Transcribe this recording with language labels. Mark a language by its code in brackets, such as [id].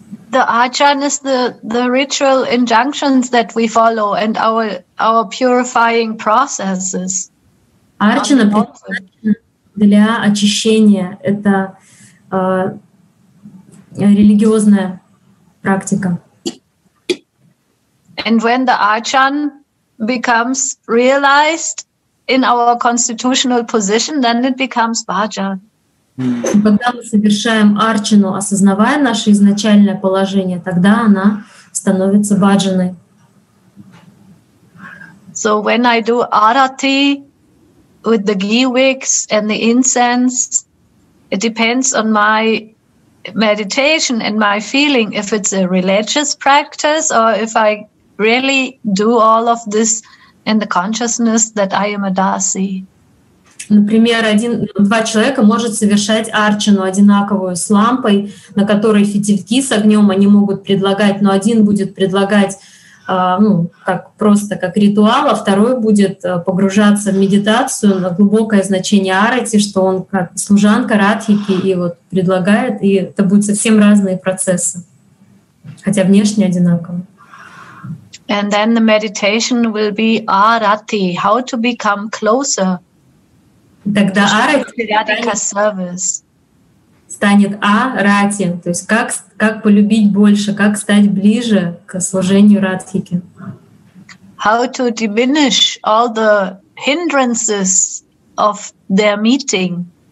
[en] The archana is the ritual injunctions that we follow and our purifying processes. [ru] Archana для очищения. Это религиозная практика. [en] And when the archan becomes realized in our constitutional position, then it becomes bhajan. [ru] Когда мы совершаем арчану, осознавая наше изначальное положение, тогда она становится бхаджаной. [en] So when I do arati with the ghee wicks and the incense, it depends on my meditation and my feeling if it's a religious practice or if I really do all of this in the consciousness that I am a dasi. [ru] Например, два человека может совершать арчану одинаковую с лампой, на которой фитильки с огнем они могут предлагать, но один будет предлагать ну, как просто как ритуал, а второй будет погружаться в медитацию на глубокое значение арати, что он как служанка радхики и вот предлагает, и это будут совсем разные процессы, хотя внешне одинаково. [en] And then the meditation will be arati, how to become closer. [ru] Тогда арати станет арати, то есть как полюбить больше, как стать ближе к служению радхике. [en] How to diminish all the hindrances of their meeting.